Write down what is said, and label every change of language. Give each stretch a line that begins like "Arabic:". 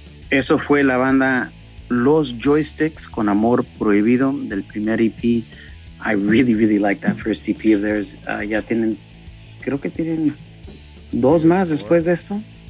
Spanish: Eso fue la banda Los Joysticks con Amor Prohibido del primer EP.
English: I really, really like that first EP of theirs.
Spanish: Ya tienen, creo que tienen dos más después de esto.